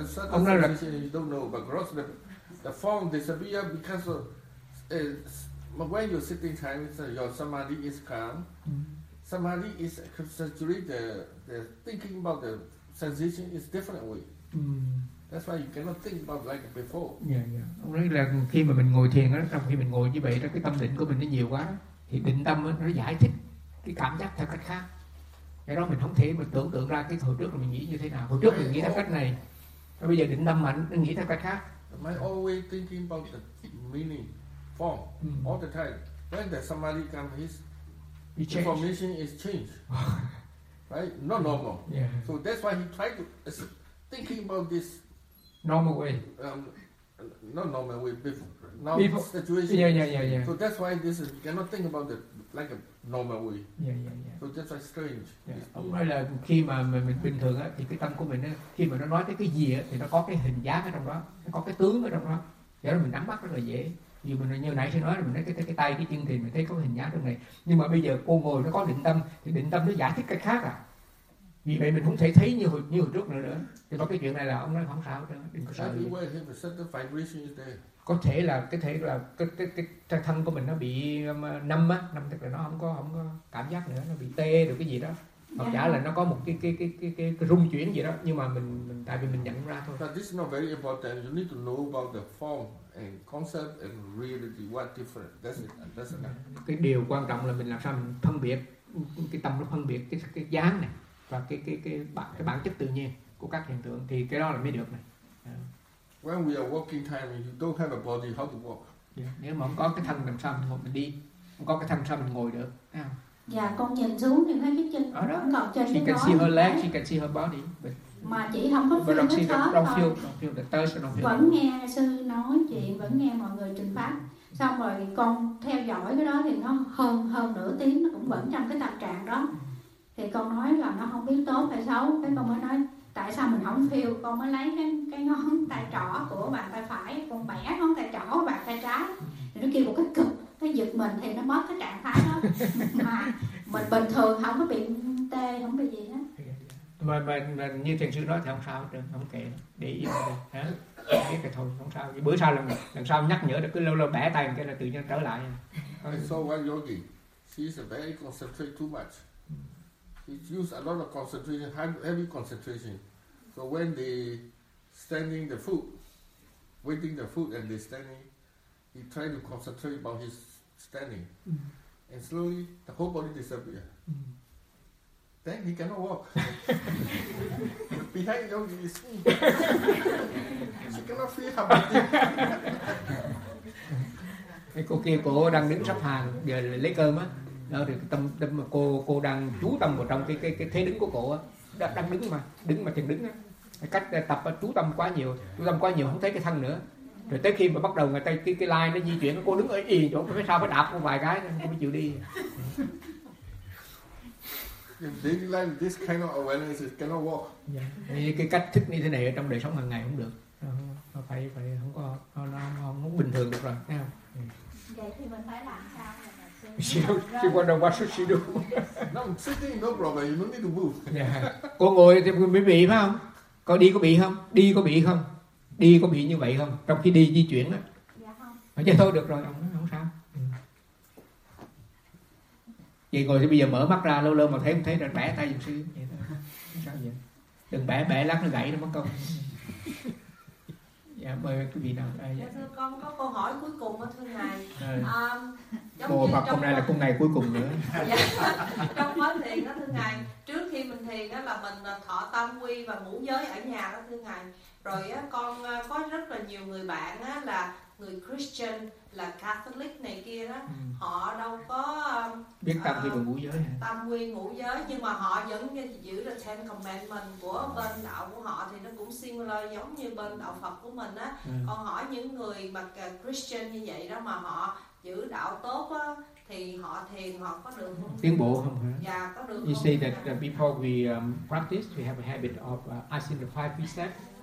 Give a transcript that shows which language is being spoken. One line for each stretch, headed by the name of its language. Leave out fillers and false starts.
Vietnamese: Ông nói là
English: don't know but gross the form disappear because of when you're sitting time your samadhi is calm. Samadhi is actually the thinking about the sensation is different way. That's why you cannot think about like before. Yeah.
Vietnamese: Ông nói là khi mà mình ngồi thiền á, trong khi mình ngồi như vậy đó, cái tâm định của mình nó nhiều quá thì định tâm nó giải thích cái cảm giác theo cách khác. Cái đó mình không thể mà tưởng tượng ra cái hồi trước mình nghĩ như thế nào. Hồi trước mình nghĩ theo cách này, và bây giờ định tâm mà nó nghĩ theo cách khác.
English: My always thinking about the meaning, form, all the time. When the somebody comes, his information is changed. Right? Not normal. Yeah. So that's why he tried to thinking about this normal way. Not normal way before. Now the situation. Yeah. So that's why this is you cannot think about it like a normal way. Yeah. So that's why strange.
Vietnamese: Ông nói là khi mà mình bình thường á thì cái tâm của mình á, khi mà nó nói tới cái gì á thì nó có cái hình dáng ở trong đó, nó có cái tướng ở trong đó. Giờ mình nắm bắt rất là dễ. Như mình như nãy sẽ nói là mình nói cái tay cái chân thì mình thấy có hình dáng trong này. Nhưng mà bây giờ cô ngồi nó có định tâm thì định tâm nó giải thích cách khác à. Vì vậy mình không thể thấy như hồi trước nữa. Thì có cái chuyện này là ông nói không sao hết, đừng có sợ.
English: Everywhere he has a certain vibration is there.
Vietnamese: Có thể là cái thân của mình nó bị năm tức là nó không có cảm giác nữa, nó bị tê được cái gì đó. Hoặc giả là nó có một cái rung chuyển gì đó, nhưng mà mình tại vì mình nhận ra thôi.
English: But this is not very important. You need to know about the form and concept and reality what different. That's enough.
Vietnamese: Cái điều quan trọng là mình làm sao mình phân biệt cái tâm nó phân biệt cái dáng này và cái bản chất tự nhiên của các hiện tượng thì cái đó là mới được này.
English: When we are walking time, you don't have a body, how to walk? Yeah.
Vietnamese: Nếu mà không có cái thân làm sao mình đi, không có cái thân sao mình ngồi được. Dạ, con nhìn xuống thì thấy cái chân ở đó. Còn chân
English: she can see her leg, she can see her body. But
Vietnamese: mà chị không có
English: feel
Vietnamese: hết thở
English: còn. Don't feel.
Vietnamese: Vẫn nghe sư nói chuyện, vẫn nghe mọi người trình pháp. Xong rồi con theo dõi cái đó thì nó hơn nửa tiếng, nó cũng vẫn trong cái tâm trạng đó. Thì con nói là nó không biết tốt hay xấu, cái con mới nói tại sao mình không feel. Con mới lấy cái ngón tay trỏ của bàn tay phải, con bẻ ngón tay trỏ của bàn tay trái. Nó kêu một cái cực, nó giật mình thì nó mất cái trạng thái đó. Mà mình bình thường không có bị tê, không bị gì hết. Mà như thiền sư nói thì không sao, không kể, để ý là đây, hả? Để cái thôi, không sao. Bữa sau lần sau nhắc nhở, cứ lâu lâu bẻ tay cái là tự nhiên trở lại.
English: I saw one yogi, she's very concentrated too much. She used a lot of concentration, heavy concentration. So when they standing the food, waiting the food and they standing, he tried to concentrate about his standing. And slowly, the whole body disappeared. Then he cannot walk. Behind yogi is me. She cannot feel her body.
Vietnamese: Cái cô kia cô đang đứng sắp hàng giờ lấy cơm á, đó thì tâm cô đang chú tâm vào trong cái thế đứng của cô á, đang đứng mà chừng đứng á, cách tập chú tâm quá nhiều không thấy cái thân nữa, rồi tới khi mà bắt đầu người ta cái line nó di chuyển, cô đứng ở y chỗ, phải sao phải đạp một vài cái cô mới chịu đi.
English: Daily life, this kind of awareness is cannot walk. Yeah.
Vietnamese: Cái cách thức như thế này ở trong đời sống hàng ngày không được. Nó phải không có nó không bình thường được rồi. Vậy thì mình phải làm sao để mà sinh?
English: She wonder what should she do? No, sitting no problem. You don't need to move. Yeah.
Vietnamese: Cô ngồi thì mới bị phải không? Cô đi có bị không? Đi có bị không? Đi có bị như vậy không? Trong khi đi di chuyển á. Dạ không. Vậy thôi được rồi. Vậy ngồi thì bây giờ mở mắt ra lâu lâu mà thấy là bẻ tay giùm sư vậy thôi. Sao vậy? Đừng bẻ lắc nó gãy nó mất công. Dạ mời quý vị nào. Dạ thưa con có câu hỏi cuối cùng đó thưa ngài. Cô Phật hôm nay là cung ngày cuối cùng nữa. Dạ. Trong quá thiền đó thưa ngài, trước khi mình thiền đó là mình thọ tam quy và ngũ giới ở nhà đó thưa ngài. Rồi á, con có rất là nhiều người bạn á, là người Christian, là Catholic này kia đó, họ đâu có biết tam quy và ngũ giới hả? Tam quy ngũ giới, nhưng mà họ vẫn giữ được Ten Commandments của bên đạo của họ thì nó cũng similar giống như bên đạo Phật của mình á. Còn hỏi những người mà Christian như vậy đó mà họ giữ đạo tốt á, thì họ thiền họ có được không? Tiến bộ không hả? Dạ, có được.
English: You say that before we practice, we have a habit of asking the five precepts.